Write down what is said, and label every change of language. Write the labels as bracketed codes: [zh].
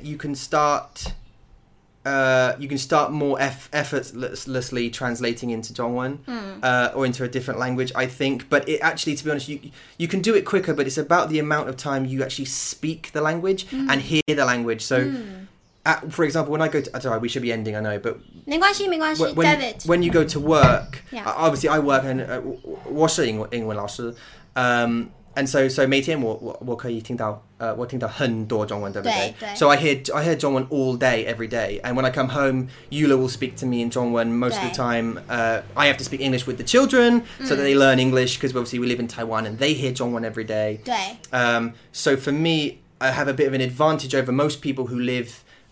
[en] You can start more effortlessly translating into 中文, or into a different language, I think. But it actually, to be honest, you can do it quicker, but it's about the amount of time you actually speak the language and hear the language. So. For example, when I go to... Sorry, we should be ending, I know, but... [zh] 没关系, [en] when, David. When you go to work... Yeah. Obviously, I work and... [zh] 我是英文老师, [en] and so [zh] 每天我可以听到很多中文，对不对? [en] So I hear 中文 all day, every day. And when I come home, Yula will speak to me in 中文 most of the time. I have to speak English with the children so that they learn English, because obviously we live in Taiwan and they hear 中文 every day. So for me, I have a bit of an advantage over most people who live...